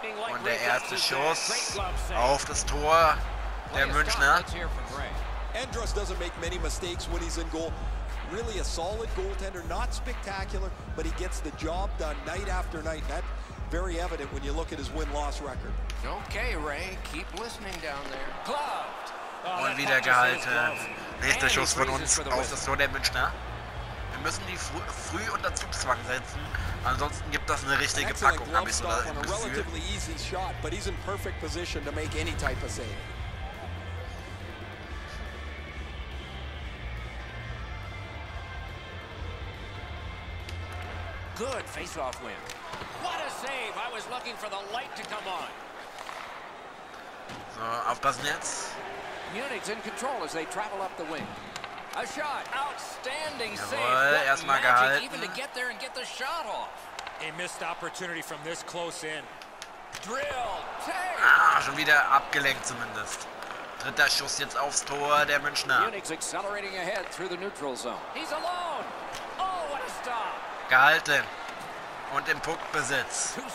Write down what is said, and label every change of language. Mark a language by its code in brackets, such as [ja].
[de] Und der erste Schuss auf das Tor. Der Münchner. [en] Andros doesn't make many mistakes when he's in goal. Really a solid goaltender, not spectacular, but he gets the job done night after night. That's very evident when you look at his win-loss record. Okay, Ray, keep listening down there. Clubbed. [de] Und wieder gehalten. Nächster Schuss von uns auf das Tor der Münchner. Wir müssen die früh unter Zugzwang setzen, ansonsten gibt das eine richtige Packung, habe ich so das Gefühl. [en] Relatively easy shot, but he's in perfect position to make any type of save. Good face-off win. What a save! I was looking for the light to come on. [de] So, aufpassen jetzt. [en] Munich's in control as they travel up the wing. A shot. Outstanding save. [de] Erstmal gehalten. [en] Even to get there and get the shot off. A missed opportunity from this close in. Drill. Take. [de] Ah, schon wieder abgelenkt zumindest. Dritter Schuss jetzt aufs Tor der Münchner. [en] Munich's accelerating ahead through the neutral zone. He's alone. Oh, what a stop. [de] Gehalten und im Puckbesitz.